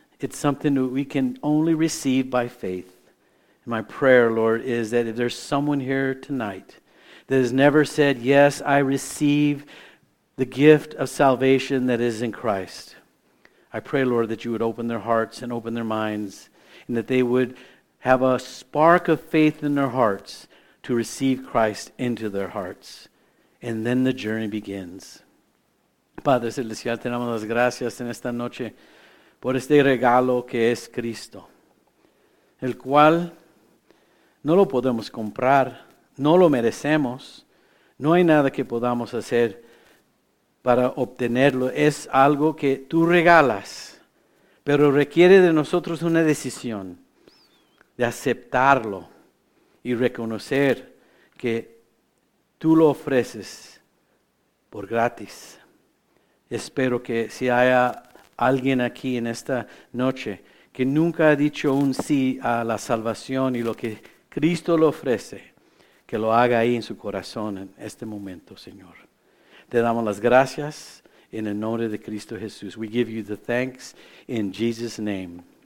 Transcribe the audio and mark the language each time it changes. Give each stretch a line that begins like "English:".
English: It's something that we can only receive by faith. And my prayer, Lord, is that if there's someone here tonight that has never said, yes, I receive the gift of salvation that is in Christ, I pray, Lord, that you would open their hearts and open their minds, and that they would have a spark of faith in their hearts to receive Christ into their hearts. And then the journey begins.
Spanish: Padre Celestial, te damos las gracias en esta noche por este regalo que es Cristo, el cual no lo podemos comprar, no lo merecemos, no hay nada que podamos hacer para obtenerlo, es algo que tú regalas, pero requiere de nosotros una decisión de aceptarlo y reconocer que tú lo ofreces por gratis. Espero que si haya alguien aquí en esta noche que nunca ha dicho un sí a la salvación y lo que Cristo le ofrece, que lo haga ahí en su corazón en este momento, Señor. Te damos las gracias en el nombre de Cristo Jesús.
English: We give you the thanks in Jesus' name.